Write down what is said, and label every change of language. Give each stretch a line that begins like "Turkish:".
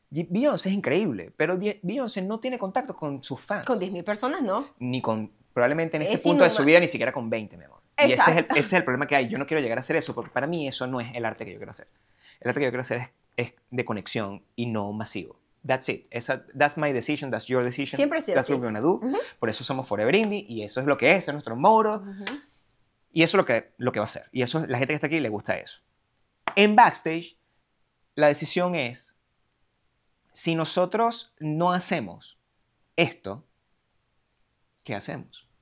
Spanish: Beyoncé es increíble, pero Beyoncé no tiene contacto con sus fans. Con 10,000 personas, no. Ni con, probablemente en este punto de su vida, ni siquiera con 20, mi amor. Exacto. Y ese es el problema que hay. Yo no quiero llegar a hacer eso, porque para mí eso no es el arte que yo quiero hacer. El arte que yo quiero hacer es de conexión y no masivo.
English: That's it. That's my decision, that's your decision.
Spanish: Siempre es así.
English: That's what we're gonna do. Uh-huh.
Spanish: Por eso somos Forever Indie, y eso es lo que es nuestro moro. Uh-huh. Y eso es lo que va a ser. Y eso, la gente que está aquí le gusta eso. En Backstage... La decisión es, si nosotros no hacemos esto, ¿qué hacemos?